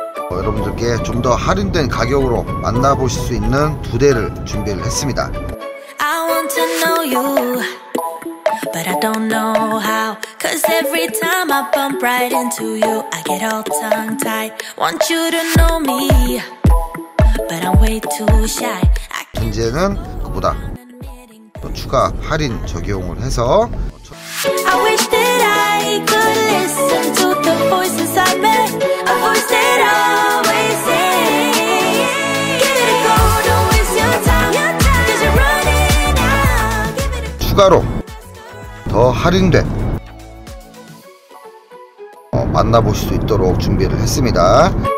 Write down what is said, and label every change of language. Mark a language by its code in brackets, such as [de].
[ko] 여러분들께 좀 더 할인된 가격으로 만나보실 수 있는 두 대를 준비를 했습니다. [en] I want to know you, but I don't know how. Cause every time I bump right into you, I get all tongue tied. Want you to know me, but I'm way too shy. [ko] 이제는 그보다 또 추가 할인 적용을 해서 [en] I wish that I could listen to the voice inside me. A voice that always says give it a go, don't waste your time. Cause you're running out. [ko] 추가로 더 할인된 만나보실 수 있도록 준비를 했습니다.